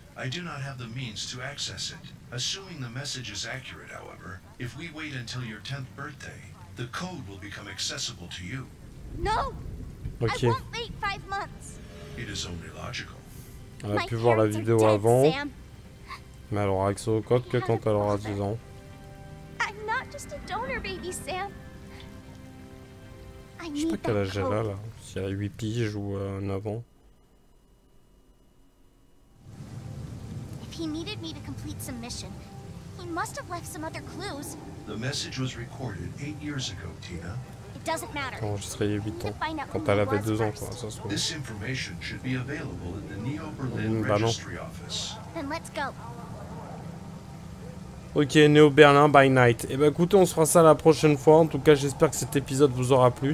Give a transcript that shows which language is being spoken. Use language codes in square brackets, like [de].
[en] I do not have the means to access it. Assuming the message is accurate, however, if we wait until your 10th birthday, the code will become accessible to you. No. Okay. I won't wait 5 months. It is only logical. [fr] On a pu voir la vidéo avant. Mais elle aura accès au code que quand elle aura 10 ans. [en] I'm not just a donor baby, Sam. [fr] Je sais pas quel âge elle a là, si elle a 8 piges ou 9 ans. [en] If he needed me to complete some mission, he must have left some other clues. The message was recorded 8 years ago, Tina. It doesn't matter. [fr] Quand je serai 8 ans, quand elle avait 2 ans, quoi, ça se trouve. [en] This information should be available in the Neo Berlin Registry Office. Then let's go. Ok, Neo Berlin by Night. [fr] Et bah écoutez, on se fera ça la prochaine fois. En tout cas, j'espère que cet épisode vous aura plu.